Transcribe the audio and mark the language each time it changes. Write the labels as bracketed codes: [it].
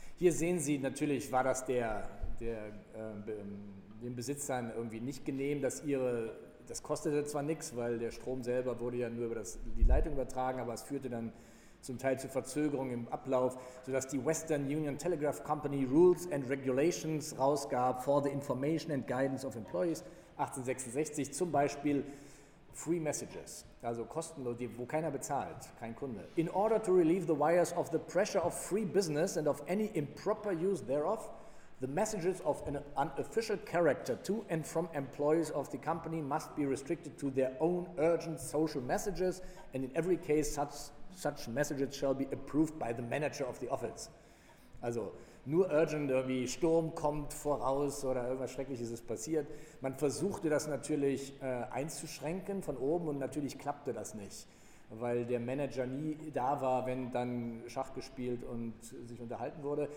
[de] Hier sehen Sie, natürlich war das den Besitzern irgendwie nicht genehm, das kostete zwar nichts, weil der Strom selber wurde ja nur über die Leitung übertragen, aber es führte dann zum Teil zu Verzögerungen im Ablauf, sodass die Western Union Telegraph Company Rules and Regulations rausgab [en] for the information and guidance of employees. [de] 1866 zum Beispiel Free Messages, also kostenlos, wo keiner bezahlt, kein Kunde. [en] In order to relieve the wires of the pressure of free business and of any improper use thereof, the messages of an unofficial character to and from employees of the company must be restricted to their own urgent social messages and in every case such messages shall be approved by the manager of the office. [de] Also nur urgent, irgendwie Sturm kommt voraus oder irgendwas Schreckliches ist passiert. Man versuchte das natürlich einzuschränken von oben und natürlich klappte das nicht, weil der Manager nie da war, wenn dann Schach gespielt und sich unterhalten wurde.